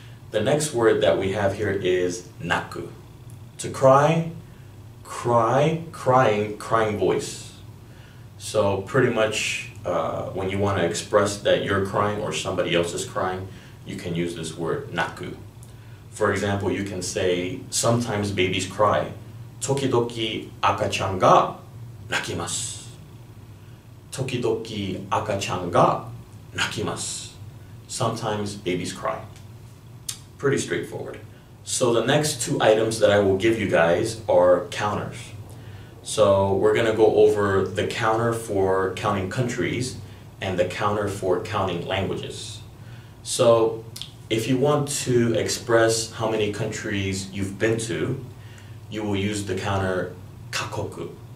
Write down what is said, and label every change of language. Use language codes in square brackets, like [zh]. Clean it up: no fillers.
[en] The next word that we have here is 泣く. To cry, cry, crying, crying voice. So pretty much when you want to express that you're crying or somebody else is crying, you can use this word, naku. For example, you can say, sometimes babies cry. [ja] 時々赤ちゃんが泣きます。時々赤ちゃんが泣きます。 [en] Sometimes babies cry. Pretty straightforward. So the next two items that I will give you guys are counters. So we're going to go over the counter for counting countries and the counter for counting languages. So if you want to express how many countries you've been to, you will use the counter 各国.